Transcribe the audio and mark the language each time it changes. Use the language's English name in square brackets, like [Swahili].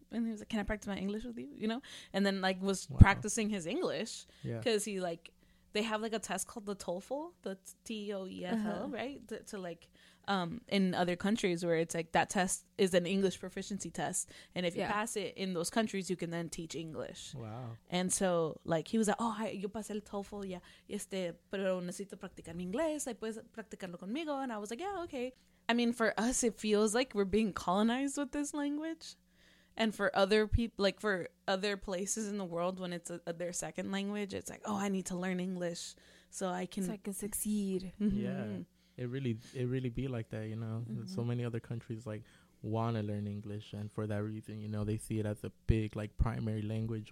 [English] And he was like, can I practice my English with you? You know? And then, like, was practicing his English. Yeah. Because he, like, they have like a test called the TOEFL, the TOEFL, right? To like in other countries where it's like that test is an English proficiency test. And if you pass it in those countries, you can then teach English. Wow. And so like he was like, oh, [Spanish] yo pasé el TOEFL, pero necesito practicar mi inglés. ¿Puedes practicarlo conmigo? [English] And I was like, yeah, okay. I mean, for us, it feels like we're being colonized with this language. And for other people, like for other places in the world, when it's their second language, it's like, oh, I need to learn English so I can succeed. Mm-hmm. Yeah, it really be like that, you know. Mm-hmm. So many other countries like want to learn English, and for that reason, you know, they see it as a big like primary language.